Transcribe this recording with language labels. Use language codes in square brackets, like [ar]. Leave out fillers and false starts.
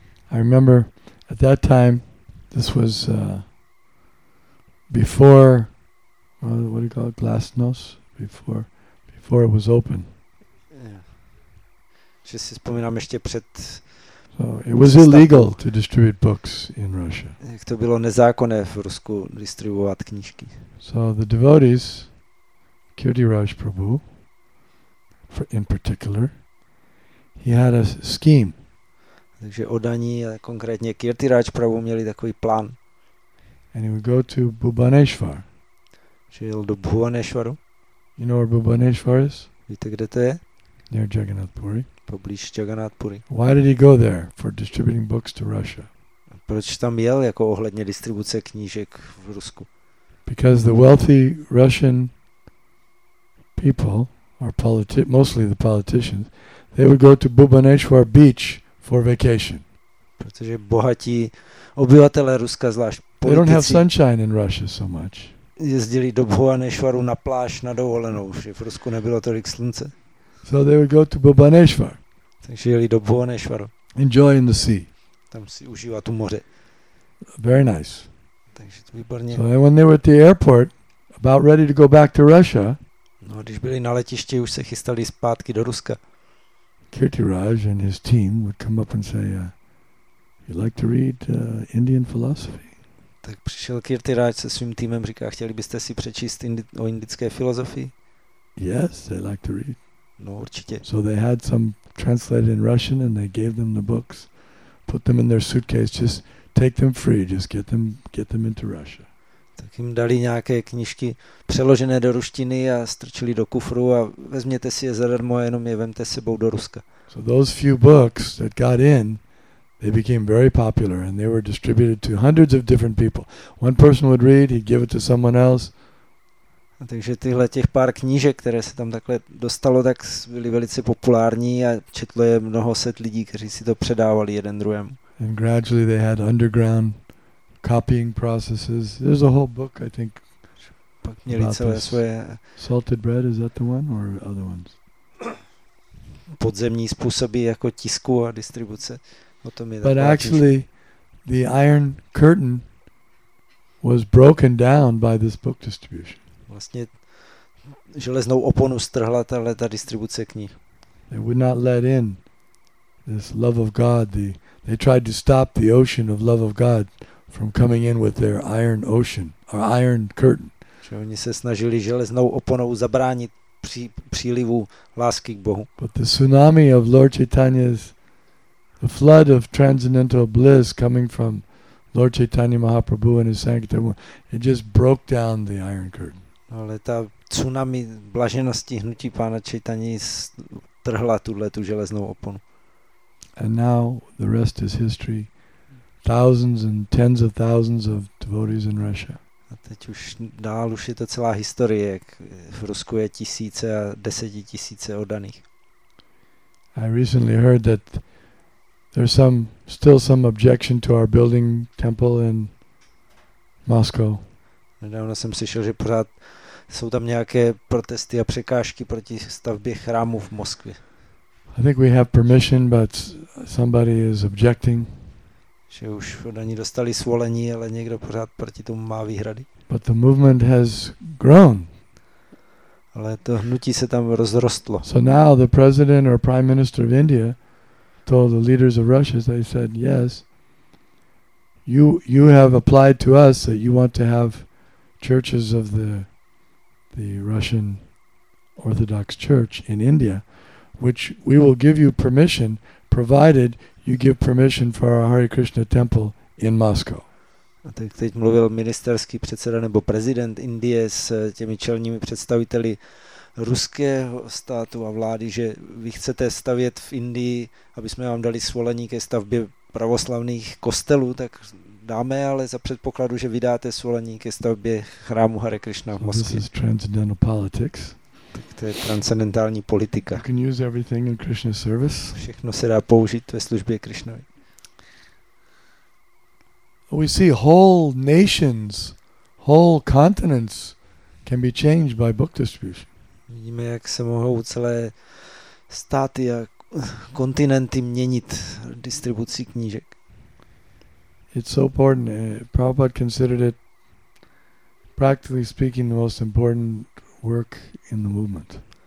[en] I remember at that time, this was before, what do you call it, Glasnost, before it was open. [cs] Že si vzpomínám ještě před. [en] So it was illegal to distribute books in Russia. [cs] Jak to bylo nezákonné v Rusku distribuovat knížky. [en] So the devotees, Kirti Raj Prabhu, in particular, he had a scheme. [cs] Takže odaní, konkrétně Kirti Raj Prabhu, měli takový plán. [en] And he would go to Bhubaneshwar. [cs] Že jel do Bhubaneshwaru. [en] You know where Bhubaneshwar is? [cs] Víte, kde to je? [en] Near Jagannath Puri. [cs] Poblíž Jagannath Puri. [en] Why did he go there for distributing books to Russia? [cs] Proč tam jel jako ohledně distribuce knížek v Rusku? [en] Because the wealthy Russian people, or mostly the politicians, they would go to Bhubaneshwar Beach for vacation. [cs] Protože bohatí obyvatelé Ruska, zvlášť politici, [en] they don't have sunshine in Russia so much. [cs] Jezdili do Bhubaneshwaru na pláž na dovolenou, že v Rusku nebylo tolik slunce. [en] So they would go to Bhubaneshwar. [cs] Takže jeli do Bhubaneshwaru. [en] Enjoying the sea. [cs] Tam si užívat u moře. [en] Very nice. [cs] Takže to výborně. [en] So when they were at the airport, about ready to go back to Russia. [cs] No, když byli na letišti, už se chystali zpátky do Ruska. [en] Kirtiraj and his team would come up and say, "You like to read Indian philosophy?" [cs] Tak přišel Kirtiraj se svým týmem, říká, chtěli byste si přečíst o indické filozofii? [en] Yes, they like to read. [cs] No, určitě. [en] So they had some translated in Russian and they gave them the books, put them in their suitcase, just take them free, just get them into Russia. [cs] Tak jim dali nějaké knížky přeložené do ruštiny a strčili do kufru a vezměte si je zadarmo a jenom je vemte sebou do Ruska. [en] So those few books that got in, they became very popular and they were distributed to hundreds of different people. One person would read, he'd give it to someone else. [cs] A takže tyhle těch pár knížek, které se tam takhle dostalo, tak byly velice populární a četlo je mnoho set lidí, kteří si to předávali jeden druhému. [en] And gradually they had underground copying processes. There's a whole book, I think. Pak měli celé svoje... Salted bread, is that the one or other ones? [cs] Podzemní způsoby jako tisku a distribuce. [en] But actually, the Iron Curtain was broken down by this book distribution. [cs] Vlastně železnou oponu strhla ta distribuce knih. [en] They would not let in this love of God. They tried to stop the ocean of love of God from coming in with their iron ocean or iron curtain. [cs] Že oni se snažili železnou oponou zabránit přílivu lásky k Bohu. [en] But the tsunami of Lord Chaitanya's, the flood of transcendental bliss coming from Lord Chaitanya Mahaprabhu and his Sankirtan, it just broke down the iron curtain. [cs] Ale ta tsunami blaženosti hnutí pána Chaitany trhla tuhle tu železnou oponu. [en] And now the rest is history. Thousands and tens of thousands of devotees in Russia. [cs] A teď už dál už je to celá historie, jak v Rusku je tisíce a desetitisíce oddaných. [en] I recently heard that there's still some objection to our building temple in Moscow. [cs] Nedávno jsem slyšel, že pořád jsou tam nějaké protesty a překážky proti stavbě chrámu v Moskvě. [en] I think we have permission, but somebody is objecting. [cs] Že už oni dostali svolení, ale někdo pořád proti tomu má výhrady. [en] But the movement has grown. [cs] Ale to hnutí se tam rozrostlo. [en] So now the president or prime minister of India told the leaders of Russia, they said, yes, you have applied to us that you want to have churches of the Russian Orthodox Church in India, which we will give you permission, provided you give permission for our Hare Krishna temple in Moscow. [cs] A tak teď mluvil ministerský předseda nebo prezident Indie s těmi čelními představiteli ruského státu a vlády, že vy chcete stavět v Indii, aby jsme vám dali svolení ke stavbě pravoslavných kostelů, tak dáme, ale za předpokladu, že vydáte svolení ke stavbě chrámu Hare Krishna v Moskvě. [en] This is transcendental politics. [cs] Tak to je transcendentální politika. [en] You can use everything in Krishna's service. [cs] Všechno se dá použít ve službě Krishnovi. [en] We see whole nations, whole continents can be changed by book distribution. [cs] Vidíme, jak se mohou celé státy a kontinenty měnit distribucí knížek. [en] It's so important. Prabhupada considered it, practically speaking, the most important work in the movement.